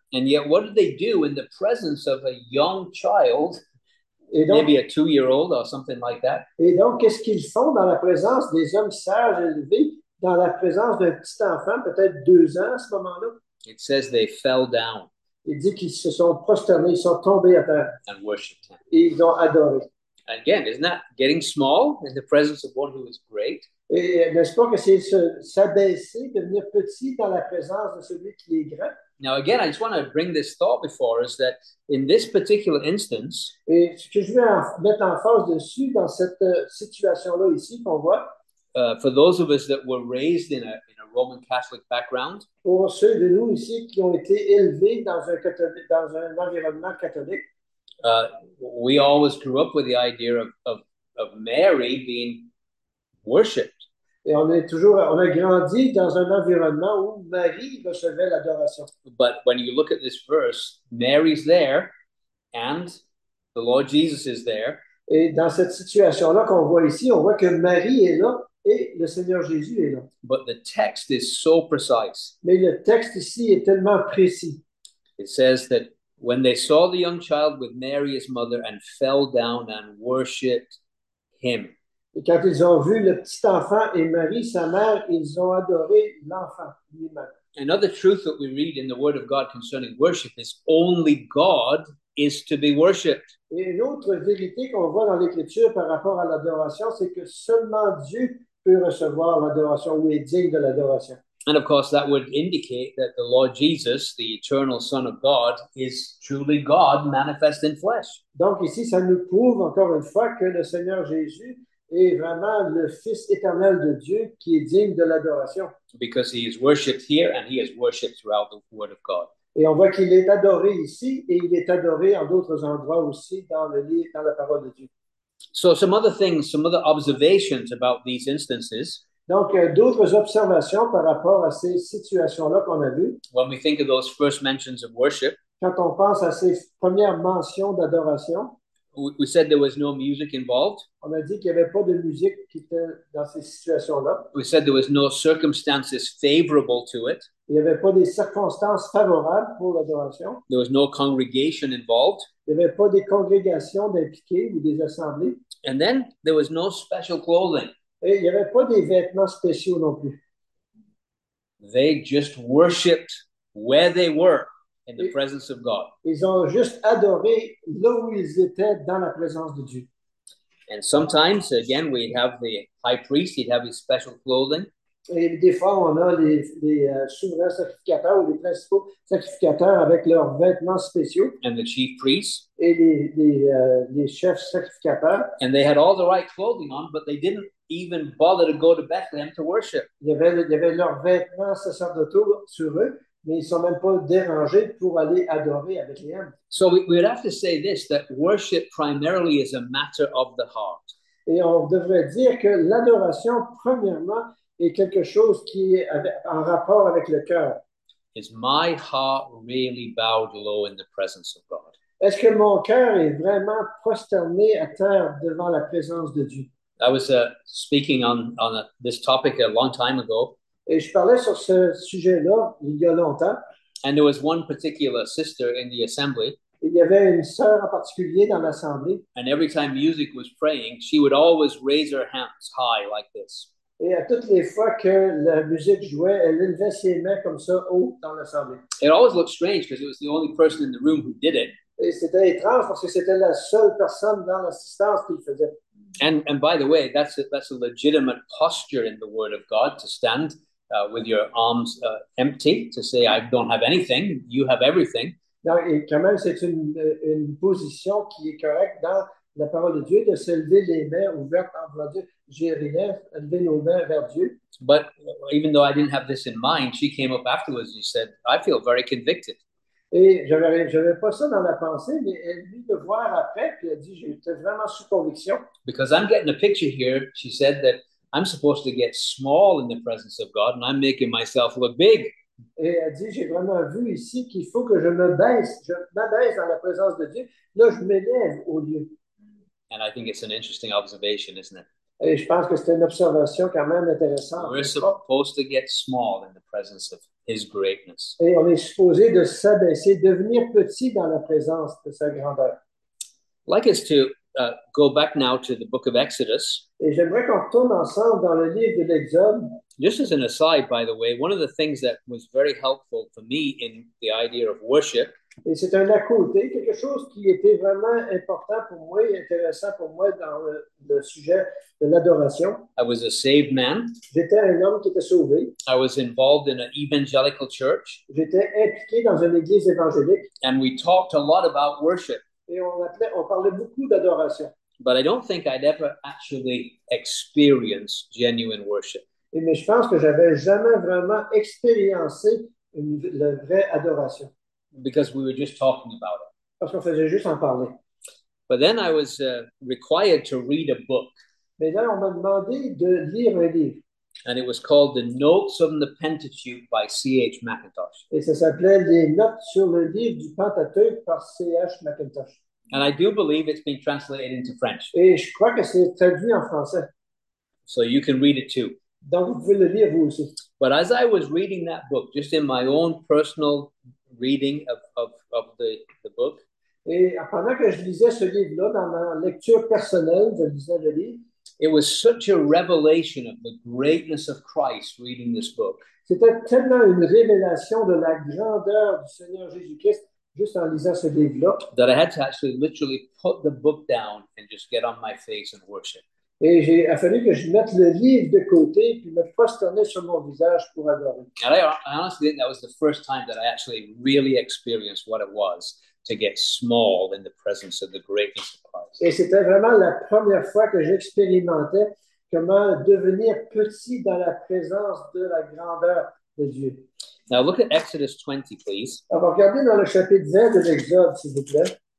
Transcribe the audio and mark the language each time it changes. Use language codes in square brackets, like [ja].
[en] And yet, what do they do in the presence of a young child? Donc, maybe a two-year-old or something like that. [fr] Et donc, qu'est-ce qu'ils font dans la présence des hommes sages élevés, dans la présence d'un petit enfant, peut-être 2 ans à ce moment-là? [en] It says they fell down. [fr] Il dit qu'ils se sont prosternés, ils sont tombés à terre. [en] And worshipped him. [fr] Et ils ont adoré. [en] Again, isn't that getting small in the presence of one who is great? [fr] Et n'est-ce pas que c'est s'abaisser, devenir petit dans la présence de celui qui est grand? [en] Now again, I just want to bring this thought before us that in this particular instance, [fr] et ce que je veux mettre en face dessus dans cette situation-là ici qu'on voit, [en] For those of us that were raised in a Roman Catholic background, [fr] Pour ceux de nous ici qui ont été élevés dans un environnement catholique, [en] we always grew up with the idea of Mary being worshipped. [fr] et on a grandi dans un environnement où Marie recevait l'adoration. [en] But when you look at this verse, Mary's there and the Lord Jesus is there. [fr] Et dans cette situation-là qu'on voit ici, on voit que Marie est là et le Seigneur Jésus est là. [en] But the text is so precise. [fr] Mais le texte ici est tellement précis. [en] It says that when they saw the young child with Mary his mother and fell down and worshipped him. [fr] Et quand ils ont vu le petit enfant et Marie, sa mère, ils ont adoré l'enfant lui-même. [en] Another truth that we read in the Word of God concerning worship is only God is to be worshipped. [fr] Et une autre vérité qu'on voit dans l'Écriture par rapport à l'adoration, c'est que seulement Dieu peut recevoir l'adoration ou est digne de l'adoration. [en] And of course, that would indicate that the Lord Jesus, the eternal Son of God, is truly God manifest in flesh. [fr] Donc ici, ça nous prouve encore une fois que le Seigneur Jésus est vraiment le Fils éternel de Dieu qui est digne de l'adoration. [en] Because he is worshipped here and he is worshipped throughout the Word of God. [fr] Et on voit qu'il est adoré ici et il est adoré en d'autres endroits aussi dans le livre, dans la parole de Dieu. [en] So some other things, some other observations about these instances. [fr] Donc, d'autres observations par rapport à ces situations-là qu'on a vues. [en] When we think of those first mentions of worship, [fr] quand on pense à ces premières mentions d'adoration, [en] we said there was no music involved. [fr] On a dit qu'il n'y avait pas de musique qui était dans ces situations-là. [en] We said there was no circumstances favorable to it. [fr] Il n'y avait pas des circonstances favorables pour l'adoration. [en] There was no congregation involved. [fr] Il n'y avait pas des congrégations impliquées ou des assemblées. [en] And then there was no special clothing. [fr] Et il n'y avait pas des vêtements spéciaux non plus. [en] They just worshipped where they were in the presence of God. [fr] Ils ont juste adoré là où ils étaient dans la présence de Dieu. [en] And sometimes, again, we'd have the high priest, he'd have his special clothing. [fr] Et des fois, on a les souverains sacrificateurs ou les principaux sacrificateurs avec leurs vêtements spéciaux. [en] And the chief priests. [fr] Et les chefs sacrificateurs. [en] And they had all the right clothing on, but they didn't even bother to go to Bethlehem to worship. [fr] Il y avait leurs vêtements sacerdotaux sur eux, mais ils ne sont même pas dérangés pour aller adorer à Bethlehem. [en] So we would have to say this, that worship primarily is a matter of the heart. [fr] Et on devrait dire que l'adoration, premièrement, est quelque chose qui est en rapport avec le cœur. [en] Is my heart really bowed low in the presence of God? [fr] Est-ce que mon cœur est vraiment prosterné à terre devant la présence de Dieu? [en] I was speaking on this topic a long time ago. [fr] Et je parlais sur ce sujet-là il y a longtemps. [en] And there was one particular sister in the assembly. [fr] Il y avait une sœur en particulier dans l'assemblée. [en] And every time music was praying, she would always raise her hands high like this. [fr] Et à toutes les fois que la musique jouait, elle levait ses mains comme ça haut dans l'assemblée. [en] It always looked strange because it was the only person in the room who did it. [fr] Et c'était étrange parce que c'était la seule personne dans l'assistance qui le faisait. [en] And by the way, that's a legitimate posture in the Word of God to stand with your arms empty to say, I don't have anything, you have everything. [fr] Donc, et quand même, c'est une position qui est correcte dans la parole de Dieu, de se lever les mains ouvertes en voulant dire, j'ai rien, lever nos mains vers Dieu. [en] But even though I didn't have this in mind, she came up afterwards and said, I feel very convicted. [fr] Et j'avais pas ça dans la pensée, mais elle vient de voir après, puis elle dit, j'étais vraiment sous conviction. [en] Because I'm getting a picture here, she said that I'm supposed to get small in the presence of God and I'm making myself look big. [fr] Et elle dit, j'ai vraiment vu ici qu'il faut que je m'abaisse dans la présence de Dieu. Là, je m'élève au lieu. [en] And I think it's an interesting observation, isn't it? [fr] Et je pense que c'est une observation quand même intéressante. [en] We're supposed to get small in the presence of His greatness. [fr] Et on est supposé de s'abaisser, devenir petit dans la présence de sa grandeur. [en] Like us to go back now to the book of Exodus. [fr] Et j'aimerais qu'on retourne ensemble dans le livre de l'Exode. [en] Just as an aside, by the way, one of the things that was very helpful for me in the idea of worship. [fr] Et c'est un à côté, quelque chose qui était vraiment important pour moi, intéressant pour moi dans le sujet de l'adoration. [en] I was a saved man. [fr] J'étais un homme qui était sauvé. [en] I was involved in an evangelical church. [fr] J'étais impliqué dans une église évangélique. [en] And we talked a lot about worship. [fr] Et on parlait beaucoup d'adoration. [en] But I don't think I'd ever actually experienced genuine worship. [fr] Et mais je pense que j'avais jamais vraiment expériencé la vraie adoration. [en] Because we were just talking about it. [fr] Parce qu'on faisait juste en parler. [en] But then I was required to read a book. [fr] Mais là, on m'a demandé de lire un livre. [en] And it was called The Notes on the Pentateuch by C.H. McIntosh. [fr] Et ça s'appelait Les Notes sur le livre du Pentateuch par C.H. McIntosh. [en] And I do believe it's been translated into French. [fr] Et je crois que c'est traduit en français. [en] So you can read it too. [fr] Donc vous pouvez le lire vous aussi. [en] But as I was reading that book, just in my own personal reading of the book. [fr] Et pendant que je lisais ce livre-là, dans ma lecture personnelle, je lisais le livre. [en] It was such a revelation of the greatness of Christ reading this book. [fr] C'était tellement une révélation de la grandeur du Seigneur Jésus-Christ juste en lisant ce livre-là. [en] That I had to actually literally put the book down and just get on my face and worship. [fr] Et il a fallu que je mette le livre de côté puis me prosterner sur mon visage pour adorer. [en] And I honestly think that was the first time that I actually really experienced what it was to get small in the presence of the greatness of Christ. [fr] Et c'était vraiment la première fois que j'expérimentais comment devenir petit dans la présence de la grandeur de Dieu. [en] Now look at Exodus 20, please. [fr] Alors regardez dans le chapitre 20 de l'Exode, s'il vous plaît.